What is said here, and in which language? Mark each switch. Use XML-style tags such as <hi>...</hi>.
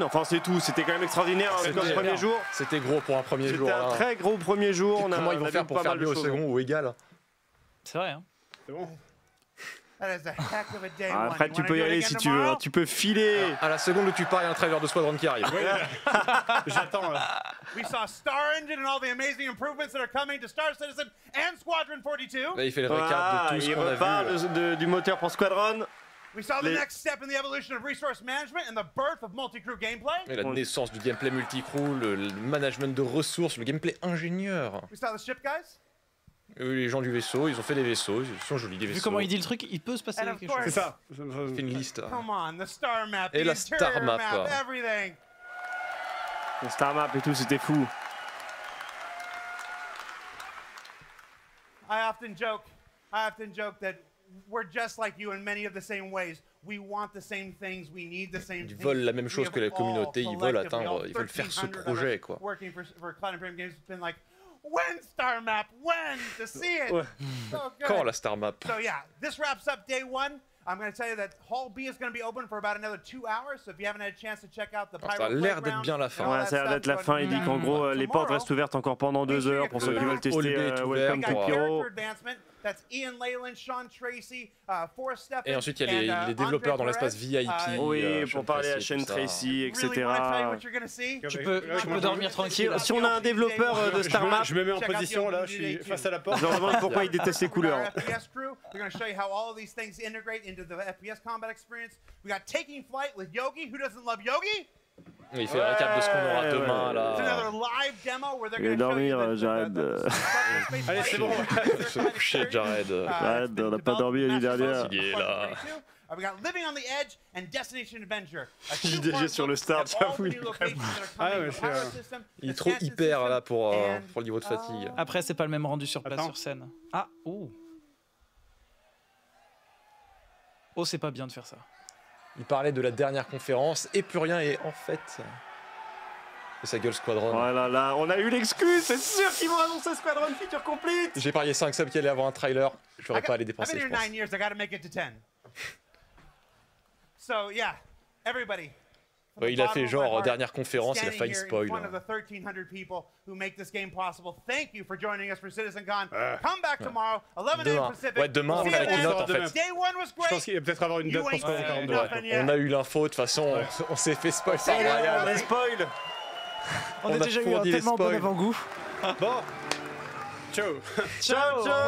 <fr>Enfin c'est tout, c'était quand même extraordinaire comme premier jour. C'était gros pour un premier c'était jour. C'était un très gros premier jour. On comment ils vont faire pour faire mieux au second ou égal? C'est vrai hein. C'est bon. Ah, Fred, tu peux y aller si tu veux, tu peux filer. À la seconde où tu pars, il y a un trailer de Squadron qui arrive. J'attends.</fr> <en>We saw Star Engine and all the amazing improvements that are coming to Star Citizen and Squadron 42.</en> <fr>Là, il fait le récap de tout ce qu'on a vu. Il repart du moteur pour Squadron.</fr> <en>We saw the next step in the evolution of resource management and the birth of multi-crew gameplay.</en> <fr>Et la naissance du gameplay multi-crew, le management de ressources, le gameplay ingénieur.</fr> <en>We saw the ship guys.</en> <fr>Les gens du vaisseau, ils ont fait des vaisseaux, ils sont jolis des vaisseaux. Vu comment il dit le truc, il peut se passer quelque chose. C'est ça. Il fait une liste.</fr> <en>Come on, the star map,</en> <fr>et la star map,</fr> <en>everything.</en> <fr>La star map et tout, c'était fou.</fr> <en>I often joke that we're just like you in many of the same ways. We want the same things, we need the same things.</en> <fr>Ils veulent la même chose que la communauté, ils veulent atteindre, ils veulent faire ce projet, quoi.</fr> <en>Working for Cloud Imperium Games has been like, when star map, when to see it. So good.</en> <fr>Quand la star map.</fr> <en>So yeah, this wraps up day one. I'm going to tell you that Hall B is going to be open for about another 2 hours. So if you haven't had a chance to check out the pyro playground,</en> <fr>ça a l'air d'être bien la fin. Ouais, ça a l'air d'être la fin. Il dit qu'en gros tomorrow, les portes restent ouvertes encore pendant 2 heures pour ceux qui veulent tester.</fr> <en>Welcome to Pyro. That's Ian Leyland, Sean Tracy, Forrest Steffen.</en> <fr>Et ensuite, il y a les développeurs dans l'espace VIP. Oui, pour parler à Sean Tracy, etc. Tu peux dormir tranquille. Si on a un développeur de Star Map. Je me mets en position là, je suis face à la porte. Je me demande pourquoi il déteste les couleurs.</fr> <en>We're going to show you how all of these things integrate into the FPS combat experience. We got Taking Flight with Yogi. Who doesn't love Yogi?</en> <fr>Il fait un récap de ce qu'on aura demain là. Je vais dormir, Jared. Allez, c'est bon. Se coucher, Jared. Jared, on n'a pas dormi l'année dernière.</fr> <en>We got Living on the Edge and Destination Adventure.</en> <fr>JDG sur le start, j'avoue. Ah ouais, c'est vrai. Il est trop hyper là pour le niveau de fatigue. Après, c'est pas le même rendu sur place, sur scène. Ah, ouh. Oh, c'est pas bien de faire ça. Il parlait de la dernière conférence et plus rien est en fait. Et sa gueule Squadron. Oh là là, on a eu l'excuse, c'est sûr qu'ils vont annoncer Squadron Feature Complete. J'ai parié 5 subs qui allaient avoir un trailer, j'aurais pas à les dépenser.</fr> <en>I've been here 9 years, I gotta make it to 10. So yeah, everybody,</en> <fr>Il a fait genre dernière conférence, il a failli spoil.</fr> <en>One of the 1300 people who make this game possible. Thank you for joining us for CitizenCon. Come back tomorrow, 11</en> <fr>demain.</fr> <en>Pacific.</en> <fr>Ouais, demain, on a la keynote en fait.</fr> <en>Day one was great.</en> <fr>Je pense qu'il va peut-être avoir une date pour ce qu'on a. Ouais. On a eu l'info, de toute façon, on s'est fait spoil. C'est incroyable. Les spoils. On a déjà eu un tellement bon avant-goût. Bon. Ciao. Ciao, ciao.</fr>